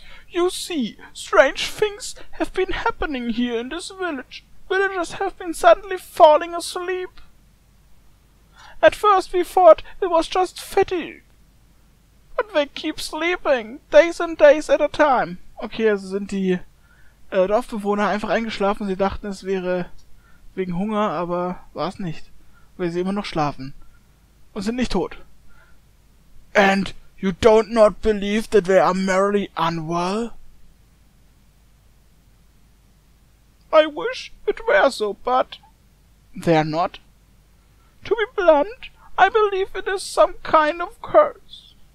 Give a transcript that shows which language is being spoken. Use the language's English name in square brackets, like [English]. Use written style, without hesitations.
[English] You see, strange things have been happening here in this village. Villagers have been suddenly falling asleep. At first we thought it was just fatigue. But they keep sleeping, days and days at a time. [German] Okay, also sind die Dorfbewohner einfach eingeschlafen. Sie dachten, es wäre wegen Hunger, aber war es nicht. Weil sie immer noch schlafen. Und sind nicht tot. And... [English] You don't not believe that they are merely unwell? I wish it were so, but... They are not? To be blunt, I believe it is some kind of curse.